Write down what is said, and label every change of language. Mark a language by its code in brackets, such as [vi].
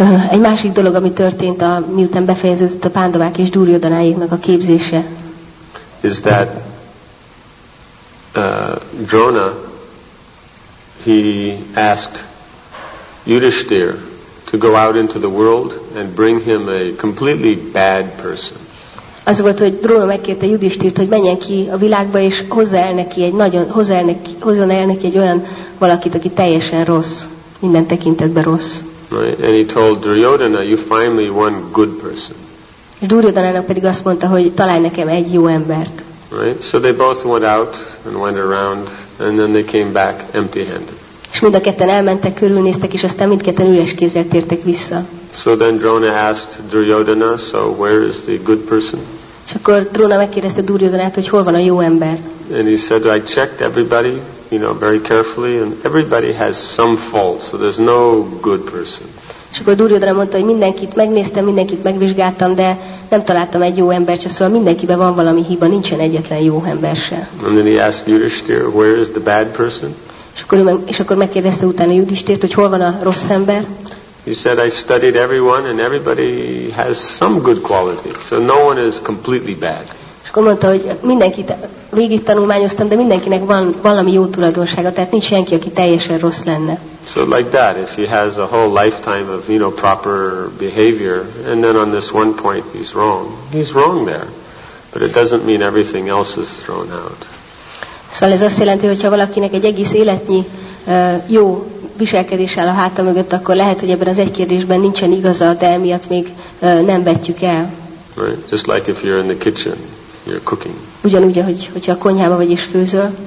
[hu] Egy másik dolog, ami történt, miután befejeződött a Pandavák és Duryodhanáéknak a képzése. [en] Is that Drona, he asked Yudhishthir to go out into the world and bring him a completely bad person. [hu] Az volt, hogy Drona megkérte Yudhishthirt, hogy menjen ki a világba, és hozzon el neki egy olyan valakit, aki teljesen rossz, minden tekintetben rossz. [en] Right. And he told Duryodhana, you find me one good person. [hu] És Duryodhanának pedig azt mondta, hogy találj nekem egy jó embert. [en] Right. So they both went out and went around, and then they came back empty-handed. [hu] És mind a ketten elmentek, körülnéztek, és aztán mindketten üres kézzel tértek vissza. [en] So then Drona asked Duryodhana, so where is the good person? [hu] És akkor Drona megkérdezte Duryodhanát, hogy hol van a jó ember. [en] And he said, I checked everybody, you know, very carefully, and everybody has some fault, so there's no good person. [hu] És akkor Duryodhana mondta, hogy mindenkit megnéztem, mindenkit megvizsgáltam, de nem találtam egy jó embert, szóval mindenkiben van valami hiba, nincsen egyetlen jó ember se. [en] And then he asked Yudhishthir, where is the bad person? [hu] És akkor megkérdezte utána Judistért, hogy hol van a rossz ember. [en] He said, I studied everyone and everybody has some good qualities, so no one is completely bad. [hu] És akkor mondta, hogy mindenkit végig tanulmányoztam, de mindenkinek van valami jó tulajdonsága, tehát nincs senki, aki teljesen rossz lenne. [en] So like that, if he has a whole lifetime of, you know, proper behavior, and then on this one point he's wrong there. But it doesn't mean everything else is thrown out. [hu] Szóval ez azt jelenti, hogyha valakinek egy egész életnyi jó viselkedés áll a háta mögött, akkor lehet, hogy ebben az egy kérdésben nincsen igaza, de emiatt még nem vetjük el. [en] Right. Just like if you're in the kitchen, you're cooking. [hu] Ugyanúgy, ahogy, hogyha a konyhában vagy és főzöl.